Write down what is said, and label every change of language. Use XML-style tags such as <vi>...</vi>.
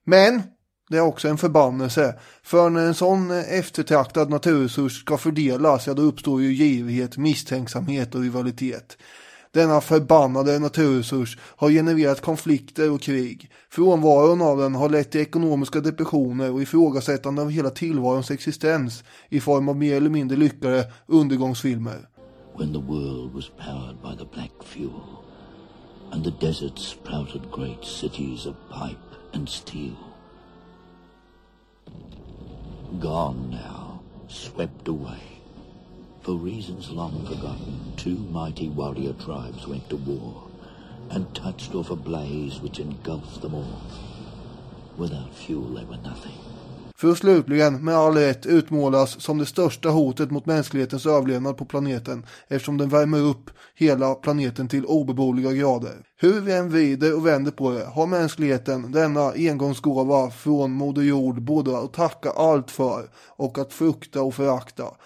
<sv>Men det är också en förbannelse, för när en sån eftertraktad naturresurs ska fördelas, ja, då uppstår ju girighet, misstänksamhet och rivalitet. Denna förbannade naturresurs har genererat konflikter och krig. Frånvaron av den har lett till ekonomiska depressioner och ifrågasättande av hela tillvarons existens i form av mer eller mindre lyckade undergångsfilmer.</sv> <en>When the world was powered by the black fuel and the desert sprouted great cities of pipe and steel. Gone now, swept away. For reasons long forgotten, two mighty warrior tribes went to war and touched off a blaze which engulfed them all. Without fuel they were nothing.</en> <sv>För att slutligen med all rätt utmålas som det största hotet mot mänsklighetens överlevnad på planeten, eftersom den värmer upp hela planeten till obeboeliga grader. Hur vi än vrider och vänder på det har mänskligheten denna engångsgåva från moder jord både att tacka allt för och att frukta och förakta.</sv>